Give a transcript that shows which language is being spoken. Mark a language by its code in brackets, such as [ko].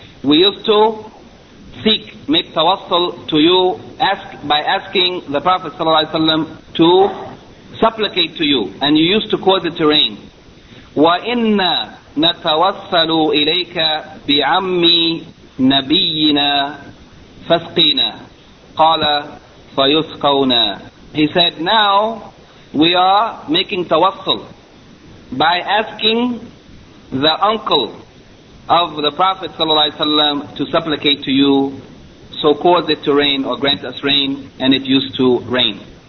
[en] We used to seek, make tawassul to you, ask by asking the Prophet صلى الله عليه وسلم to supplicate to you, and you used to cause it to rain. [ar] وإنا نتوصل إليك بعمي نبينا فسقينا قال فيسقونا. [en] He said, now we are making tawassul by asking the uncle of the Prophet ﷺ to supplicate to you, so cause it to rain or grant us rain, and it used to rain.